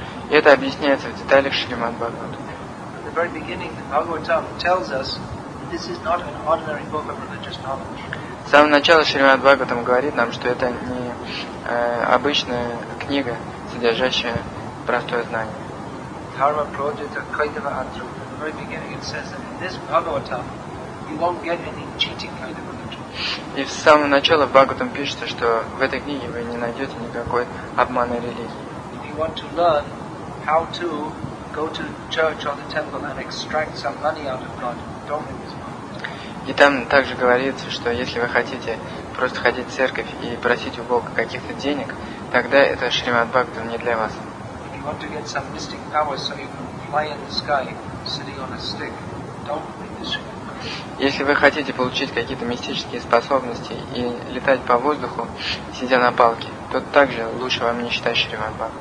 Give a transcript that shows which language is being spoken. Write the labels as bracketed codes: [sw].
[ru] Это объясняется в деталях Шримад-Бхагавата. [en] At the very beginning, the Bhagavatam tells us that this is not an ordinary book of religious knowledge. [ru] С самого начала Шримад Бхагаватам говорит нам, что это не обычная книга, содержащая простое знание. [sa] Dharma Prajita Kaitava Antra. [en] At the very beginning, it says that in this Bhagavatam, you won't get any cheating kind of religion. [ru] И с самого начала Бхагаватам пишется, что в этой книге вы не найдете никакой обманной религии. [en] If you want to learn how to go to church or the temple and extract some money out of God. Don't give this money. [ru] И там также говорится, что если вы хотите просто ходить в церковь и просить у Бога каких-то денег, тогда это Шримад Бхагаватам не для вас. [en] If you want to get some mystic powers so you can fly in the sky sitting on a stick, don't give this Shrimad Bhagavatam. [ru] Если вы хотите получить какие-то мистические способности и летать по воздуху, сидя на палке, то также лучше вам не считать Шримад Бхагаватам.